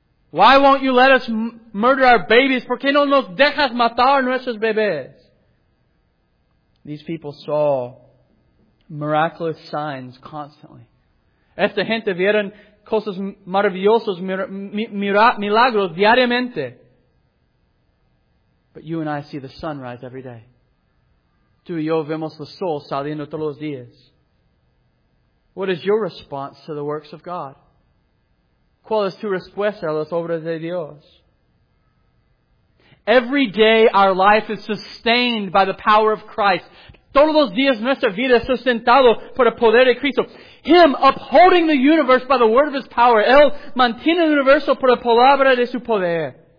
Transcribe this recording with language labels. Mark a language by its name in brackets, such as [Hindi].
[English] Why won't you let us murder our babies? [Spanish] ¿Por qué no nos dejas matar nuestros bebés? [English] These people saw miraculous signs constantly. [Spanish] Esta gente vieron cosas maravillosas, milagros diariamente. [English] But you and I see the sun rise every day. [Spanish] Tú y yo vemos el sol saliendo todos los días. [English] What is your response to the works of God? [Spanish] ¿Cuál es tu respuesta a las obras de Dios? [English] Every day our life is sustained by the power of Christ. [Spanish] Todos los días nuestra vida es sustentado por el poder de Cristo. [English] Him upholding the universe by the word of His power. [Spanish] Él mantiene el universo por la palabra de su poder.